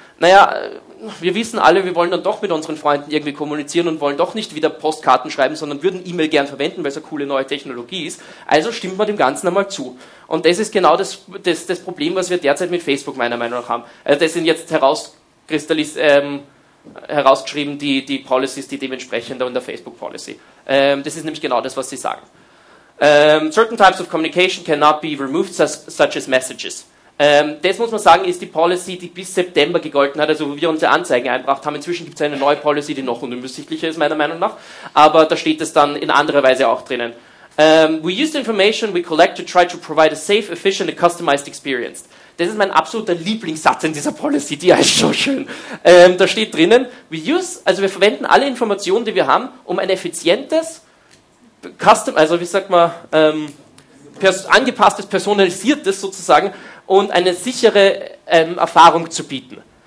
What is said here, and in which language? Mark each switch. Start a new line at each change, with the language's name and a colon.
German: Naja, wir wissen alle, wir wollen dann doch mit unseren Freunden irgendwie kommunizieren und wollen doch nicht wieder Postkarten schreiben, sondern würden E-Mail gern verwenden, weil es eine coole neue Technologie ist. Also stimmt man dem Ganzen einmal zu. Und das ist genau das Problem, was wir derzeit mit Facebook meiner Meinung nach haben. Also das sind jetzt herausgeschrieben, die Policies, die dementsprechend in der Facebook-Policy. Das ist nämlich genau das, was sie sagen.
English: Certain types of communication cannot be removed, such as messages.
German: Das muss man sagen, ist die Policy, die bis September gegolten hat, also wo wir unsere Anzeigen einbracht haben. Inzwischen gibt es eine neue Policy, die noch unübersichtlicher ist, meiner Meinung nach. Aber da steht es dann in anderer Weise auch drinnen.
English: We use the information we collect to try to provide a safe, efficient and customized experience.
German: Das ist mein absoluter Lieblingssatz in dieser Policy, die heißt so schön. Da steht drinnen, wir verwenden alle Informationen, die wir haben, um ein effizientes, angepasstes, personalisiertes sozusagen und eine sichere Erfahrung zu bieten.